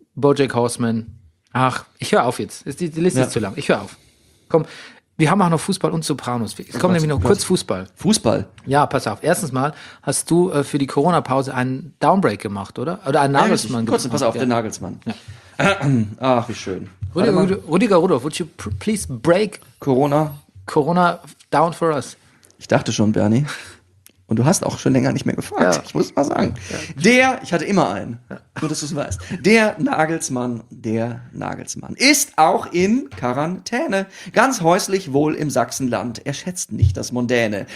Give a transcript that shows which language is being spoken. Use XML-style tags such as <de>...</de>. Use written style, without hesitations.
<de>BoJack Horseman. Ach, ich höre auf jetzt. Die Liste ja. ist zu lang. Ich höre auf. Komm, wir haben auch noch Fußball und Sopranos. Es kommt nämlich noch kurz Fußball. Fußball? Ja, pass auf. Erstens mal hast du für die Corona-Pause einen Downbreak gemacht, oder? Oder einen Nagelsmann gemacht. Kurz, pass auf, ja. Der Nagelsmann. Ja. Ach, wie schön.</de> <en>Rüdiger Rudolph, would you please break Corona? Corona down for us.</en> <de>Ich dachte schon, Bernie. Und du hast auch schon länger nicht mehr gefragt, ja. Ich muss mal sagen. Ja. Ich hatte immer einen, nur dass du es weißt. Der Nagelsmann ist auch in Quarantäne. Ganz häuslich wohl im Sachsenland. Er schätzt nicht das Mondäne.</de>